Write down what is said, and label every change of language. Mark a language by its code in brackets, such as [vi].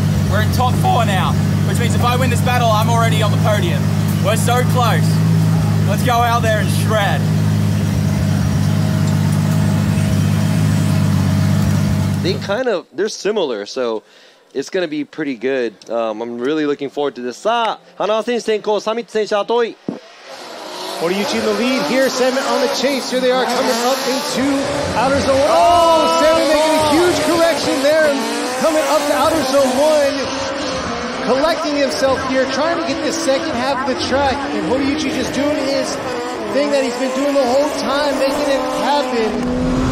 [en] We're in top four now, which means if I win this battle, I'm already on the podium. We're so close. Let's go out there and shred. They kind of, they're similar, so it's going to be pretty good. I'm really looking forward to this. [ja] さあ、花輪選手先行、サミット選手後い。 [en] Horiyuchi in the lead here, SAMMIT on the chase. Here they are coming up into outer zone. Oh, SAMMIT making a huge correction there. Coming up to outer zone one. Collecting himself here, trying to get the second half of the track. And Horiyuchi just doing his thing that he's been doing the whole time, making it happen.